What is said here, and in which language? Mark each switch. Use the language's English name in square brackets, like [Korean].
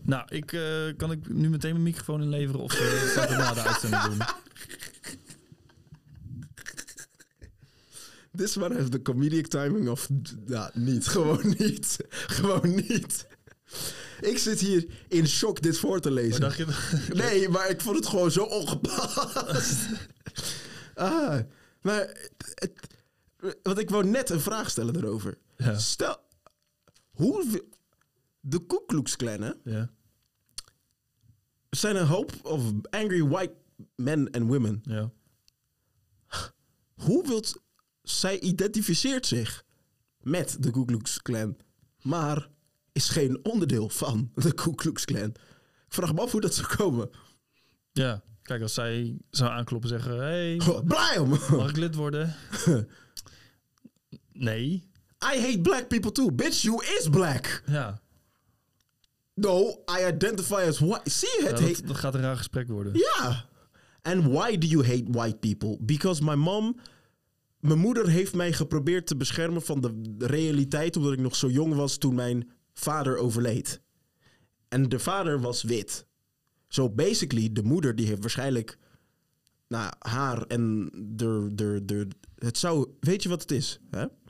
[Dutch] Nou, kan ik nu meteen mijn microfoon inleveren? Of zal ik het na de uitzending doen? [English] This one has the comedic timing of... [Dutch] Ja, niet. Gewoon niet. Gewoon niet. Ik zit hier in shock dit voor te lezen. Maar dacht je... Nee, maar ik vond het gewoon zo ongepast. Maar... Want ik wou net een vraag stellen erover. Ja. Stel... Hoe... De Ku Klux Klan, hè? Ja. Zijn een hoop [English] of angry white men and women. [Dutch] Ja. Hoe wilt... Zij identificeert zich met de Ku Klux Klan, maar is geen onderdeel van de Ku Klux Klan. Ik vraag me af hoe dat zou komen. Ja, kijk, als zij zou aankloppen en zeggen... Hey, blij om! Mag ik lid worden? Nee. [English] I hate black people too. Bitch, you is black. [Dutch] Ja. [English] No, I identify as white. See, het [Dutch] heet... Dat gaat een raar gesprek worden. Ja. [English] And why do you hate white people? Because my mom... [Dutch] Mijn moeder heeft mij geprobeerd te beschermen van de realiteit... omdat ik nog zo jong was toen mijn vader overleed. En de vader was wit. So basically, de moeder die heeft waarschijnlijk... Nou, haar en de het zou... Weet je wat het is? Hè?